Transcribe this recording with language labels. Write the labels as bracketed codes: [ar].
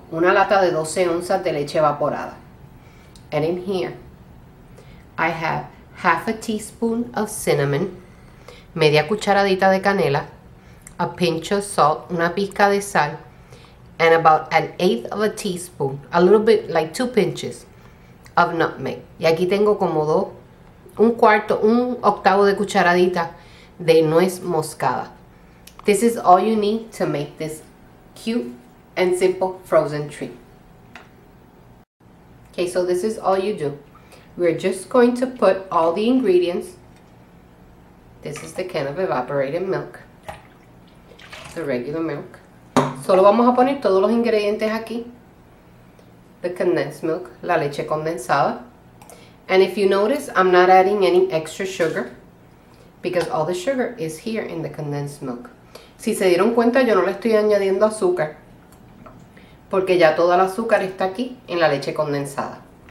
[es] Una lata de 12 onzas de leche evaporada. [en] And in here, I have 1/2 teaspoon of cinnamon, [es] media cucharadita de canela, [en] a pinch of salt, [es] una pizca de sal, [en] and about 1/8 teaspoon, a little bit, like 2 pinches, of nutmeg. [es] Y aquí tengo como un octavo de cucharadita de nuez moscada. [en] This is all you need to make this cute and simple frozen treat. Okay, so this is all you do. We're just going to put all the ingredients. This is the can of evaporated milk, the regular milk. [es] Solo vamos a poner todos los ingredientes aquí. [en] The condensed milk, [es] la leche condensada. [en] And if you notice, I'm not adding any extra sugar because all the sugar is here in the condensed milk. [es] Si se dieron cuenta, yo no le estoy añadiendo azúcar porque ya todo el azúcar está aquí en la leche condensada.